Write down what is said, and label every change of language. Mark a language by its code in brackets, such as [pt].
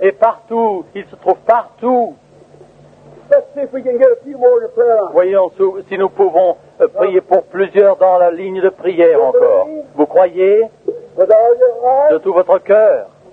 [fr] Et partout, il se trouve partout. [en] Let's see if we can get a few more to pray on. [fr] Voyons si nous pouvons prier pour plusieurs dans la ligne de prière encore. Vous croyez de tout votre cœur?